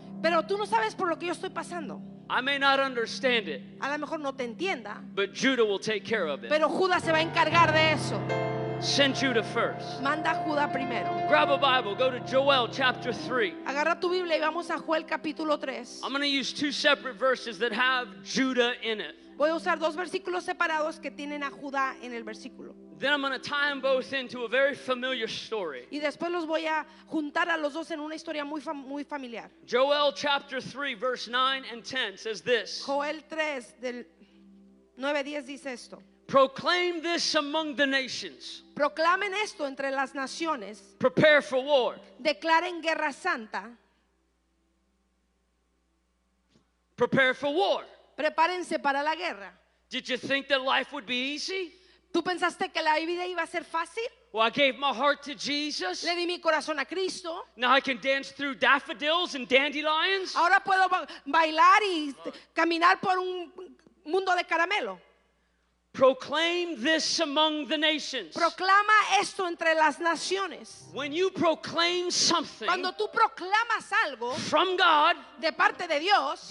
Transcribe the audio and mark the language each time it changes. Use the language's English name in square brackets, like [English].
[Spanish] Pero tú no sabes por lo que yo estoy pasando. [English] I may not understand it. [Spanish] A lo mejor no te entienda. [English] But Judah will take care of it. [Spanish] Pero Judá se va a encargar de eso. [English] Send Judah first. [Spanish] Manda a Judá primero. [English] Grab a Bible, go to Joel chapter 3. [Spanish] Agarra tu Biblia y vamos a Joel capítulo 3. [English] I'm going to use two separate verses that have Judah in it. [Spanish] Voy a usar dos versículos separados que tienen a Judá en el versículo. [English] Then I'm going to tie them both into a very familiar story. [Spanish] Y después los voy a juntar a los dos en una historia muy muy familiar. [English] Joel chapter 3 verse 9 and 10 says this. [Spanish] Joel 3 del 9 10 dice esto. [English] Proclaim this among the nations. [Spanish] Proclamen esto entre las naciones. [English] Prepare for war. [Spanish] Declaren guerra santa. [English] Prepare for war. [Spanish] Prepárense para la guerra. [English] Did you think that life would be easy? [Spanish] ¿Tú pensaste que la vida iba a ser fácil? [English] Well, I gave my heart to Jesus. [Spanish] Le di mi corazón a Cristo. [English] Now I can dance through daffodils and dandelions. [Spanish] Ahora puedo bailar y caminar por un mundo de caramelo. [English] Proclaim this among the nations. [Spanish] Proclama esto entre las naciones. [English] When you proclaim something, [Spanish] cuando tú proclamas algo, [English] from God, [Spanish] de parte de Dios,